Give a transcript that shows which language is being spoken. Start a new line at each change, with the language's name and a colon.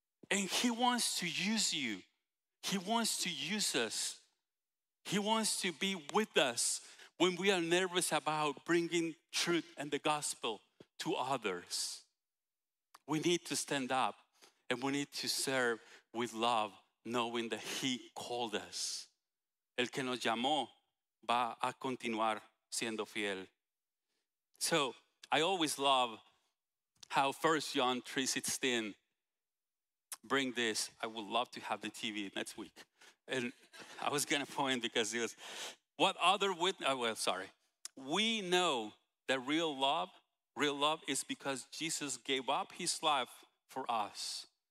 English: And he wants to use you. He wants to use us. He wants to be with us when we are nervous about bringing truth and the gospel to others. We need to stand up and we need to serve with love, knowing that he called us.
Spanish: El que nos llamó va a continuar siendo fiel.
English: So I always love how 1 John 3:16 bring this. I would love to have the TV next week. And I was going to point because it was, what other witness, oh, well, sorry. We know that real love is because Jesus gave up his life for us.